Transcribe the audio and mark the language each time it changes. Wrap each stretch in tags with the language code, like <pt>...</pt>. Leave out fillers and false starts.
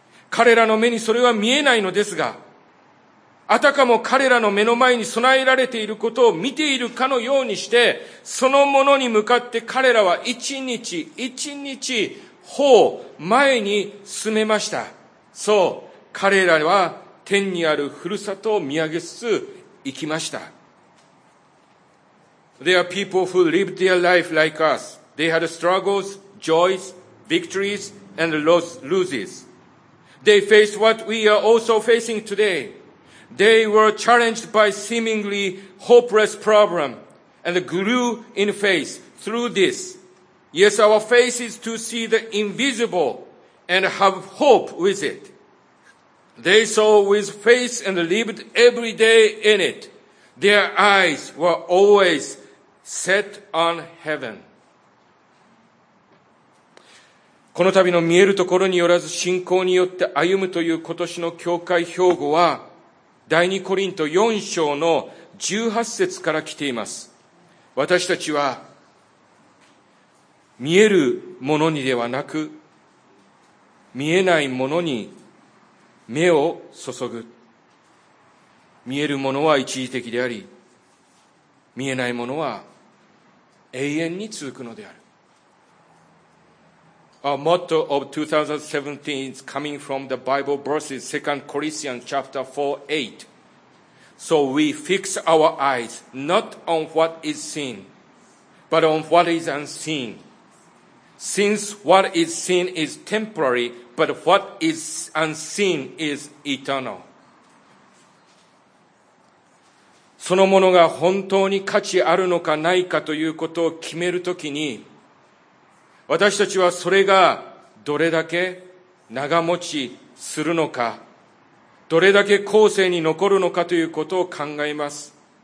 <ja>彼らの目にそれは見えないのですが、あたかも彼らの目の前に備えられていることを見ているかのようにして、そのものに向かって彼らは一日一日歩を前に進めました。そう、彼らは天にあるふるさとを見上げつつ行きました。</ja> <en>There are people who lived their life like us. They had struggles, joys, victories and losses. They faced what we are also facing todayThey were challenged by seemingly hopeless problem and grew in faith through this. Yes, our faith is to see the invisible and have hope with it. They saw with faith and lived every day in it. Their eyes were always set on heaven.</en> <ja>この度の見えるところによらず信仰によって歩むという今年の教会標語は、第二コリント4章の18節から来ています。私たちは見えるものにではなく、見えないものに目を注ぐ。見えるものは一時的であり、見えないものは永遠に続くのである。</ja> <en>Our motto of 2017 is coming from the Bible verses 2 Corinthians chapter 4:8. So we fix our eyes not on what is seen, but on what is unseen. Since what is seen is temporary, but what is unseen is eternal.</en> <ja>そのものが本当に価値あるのかないかということを決めるときに、私たちはそれがどれだけ長持ちするのか、どれだけ後世に残るのかということを考えます。</ja>